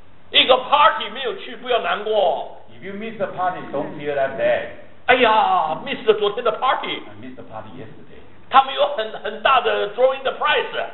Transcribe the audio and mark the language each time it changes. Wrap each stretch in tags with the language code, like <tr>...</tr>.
<zh>一个 party 没有去，不要难过。</zh> <en>If you miss a party, don't feel that bad.</en> <zh>哎呀 ，miss 了昨天的 party。</zh> <en>I missed the party yesterday。</en> <zh>他们有很大的</zh> <en>drawing the prize。</en>